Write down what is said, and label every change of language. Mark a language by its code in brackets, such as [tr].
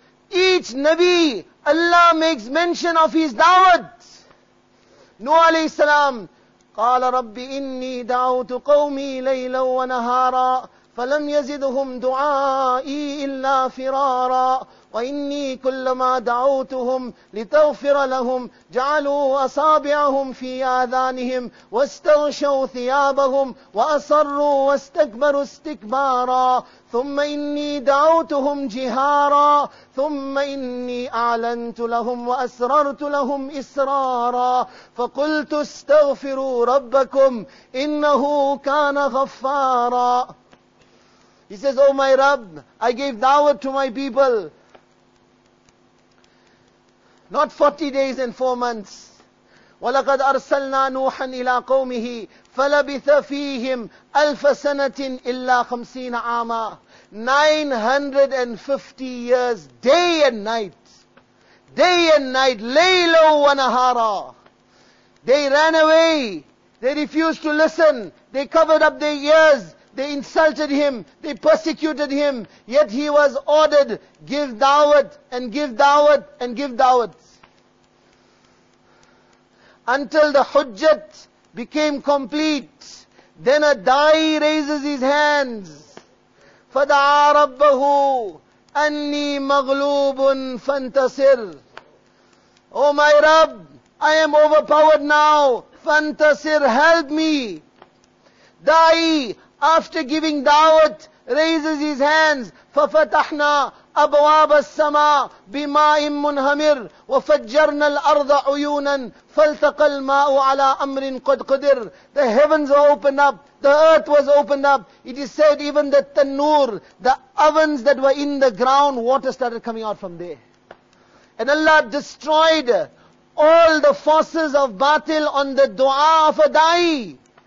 [en] Each Nabi, Allah makes mention of his da'wat. [ar] Nuh alayhi salam, قَالَ رَبِّ إِنِّي دَعَوْتُ قَوْمِي لَيْلًا وَنَهَارًا فَلَمْ يَزِدُهُمْ دُعَائِي إِلَّا فِرَارًا وَإِنِّي كُلَّمَا دَعَوْتُهُمْ لِتَغْفِرَ لَهُمْ جَعَلُوا أَصَابِعَهُمْ فِي آذَانِهِمْ وَاسْتَغْشَوْا ثِيَابَهُمْ وَأَصَرُّوا وَاسْتَكْبَرُوا اسْتِكْبَارًا ثُمَّ إِنِّي دَعَوْتُهُمْ جِهَارًا ثُمَّ إِنِّي أَعْلَنْتُ لَهُمْ وَأَسْرَرْتُ لَهُمْ إِسْرَارًا فَقُلْتُ اسْتَغْفِرُوا رَبَّكُمْ إِنَّهُ كَانَ غَفَّارًا. [en] He says, "Oh my Rabb, I gave da'wah to my people. Not 40 days and 4 months. [ar] وَلَقَدْ أَرْسَلْنَا نُوحًا إِلَىٰ قَوْمِهِ فَلَبِثَ فِيهِمْ أَلْفَ سَنَةٍ إِلَّا خَمْسِينَ عَامًا [en] 950 years, day and night. Day and night. [ar] لَيْلَوْ وَنَهَارَا [en] They ran away. They refused to listen. They covered up their ears. They insulted him. They persecuted him. Yet he was ordered, give da'wat and give da'wat and give da'wat. Until the hujjat became complete. Then a da'i raises his hands. [ar] فَدَعَا رَبَّهُ أَنِّي مَغْلُوبٌ فَانْتَصِرْ [en] Oh my Rabb, I am overpowered now. فَانْتَصِرْ Help me. Da'i, after giving da'wat, raises his hands. [ar] فَفَتَحْنَا أَبْوَابَ السَّمَاءِ بِمَاءٍ مُنْهَمِرْ وَفَجَّرْنَا الْأَرْضَ عُيُونًا فَالْتَقَى الْمَاءُ عَلَىٰ أَمْرٍ قَدْ قُدِرْ [en] The heavens were opened up. The earth was opened up. It is said even the tannur, the ovens that were in the ground, water started coming out from there. And Allah destroyed all the forces of batil on the dua of a da'i.